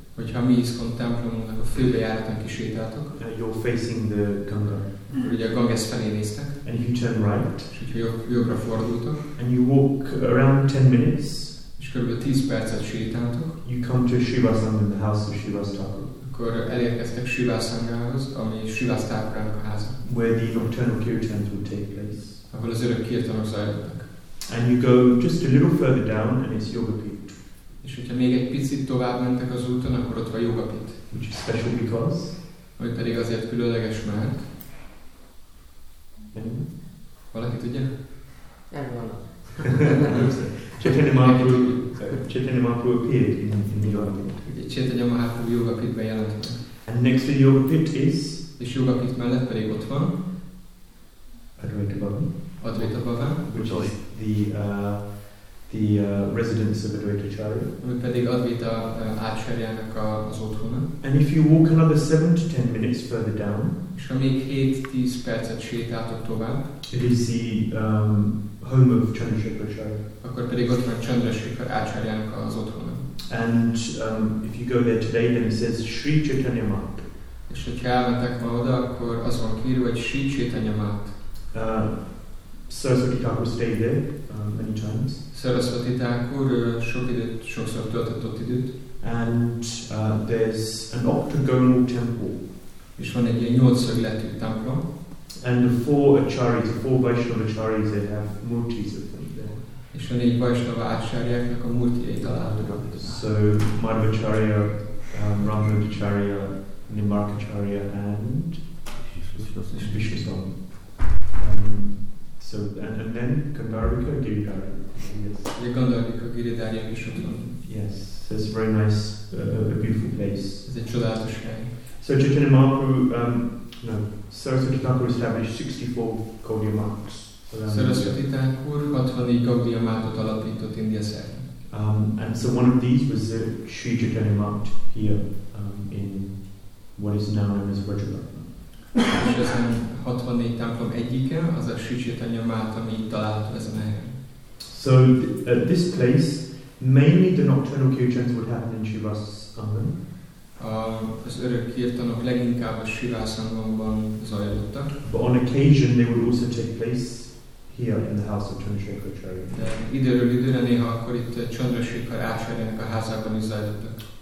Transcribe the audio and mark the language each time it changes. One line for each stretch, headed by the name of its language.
Hungarian: Hogyha mi iszkon templomunknak a főbejáraton kisétáltok.
English: You're facing the Ganga.
Hungarian: Ugye a Ganges felé néztek.
English: And you turn right.
Hungarian: És hogyha jobbra fordultok.
English: And you walk around 10 minutes.
Hungarian: És körülbelül 10 percet sétáltok.
English: You come to Shivasangam, the house of Shivasthakur.
Hungarian: Akkor elérkeztek Shivasangamhoz, ami Shivasthakurának a háza.
English: Where the nocturnal kirtans would take place.
Hungarian: Ahol az örök kirtanok zajlottak.
English: And you go just a little further down and it's Yogapit.
Hungarian: És hogyha még egy picit tovább mentek az úton, akkor ott van Yogapit.
English: Which is special because?
Hungarian: Ami pedig azért különleges, mert... Valaki tudja? Nem valami.
English: Chaitanya Mahaprabhu appeared in the Yogapit.
Hungarian: Chaitanya Mahaprabhu Yogapitben jelent meg.
English: And next to Yogapit is?
Hungarian: És Yogapit mellett pedig ott van.
English: Advaita Bhavan.
Hungarian: Advaita Bhavan.
English: Which is the... residence of Advaita Acharya.
Hungarian: Ami pedig Advaita Acharyának az otthona.
English: And if you walk another 7-10 minutes further down,
Hungarian: és ha még 7-10 percet sétáltok tovább,
English: it is the home of Chandrasekhar Acharya.
Hungarian: Akkor pedig ott van Chandrasekhar Acharyának az otthona.
English: And if you go there today, then it says Sri Chaitanya Mat.
Hungarian: És hogyha elmentek ma oda, akkor az van kírva, hogy Sri Chaitanya Mat.
English: Saraswati Thakur stayed there many times.
Hungarian: Saraswati Thakur sok időt, sokszor töltött ott időt.
English: And there's an octagonal temple.
Hungarian: És van egy ilyen nyolcszögletű templom.
English: And the four acharyas, the four Vaishnava acharyas, they have murtis of them there.
Hungarian: És van egy Vaishnava acharyáknak a murtijai találhatók.
English: So Madhva Acharya, Ramanuja Acharya, Nimbarka Acharya and Vishwasambhava. So and then Gandharika Giridhari. Yes. The Gandharika Giridhari is also there. Yes. So it's very nice, a beautiful place. Is it true that way? So Chaitanya Mahaprabhu, Saraswati Thakur established 64 Gaudiya Mathas.
Hungarian: Saraswati Thakur 64 Gaudiya Mathot alapított India szerte.
English: And so one of these was the Sri Chaitanya Math here in what is now known as Vrajabhavan.
Hungarian: És ezen 64 templom egyike, az a Sri Chaitanya Mat, ami itt található ezen a helyen.
English: So at this place, mainly the nocturnal kirtans would happen in Shivasangam.
Hungarian: Az örök kirtanok leginkább a Shivasangamban zajlottak.
English: But on occasion they would also take place here in the house of Chandrasekhar Acharya.
Hungarian: De időről időre néha akkor itt Chandrasekhar Acharyának a házában is zajlottak.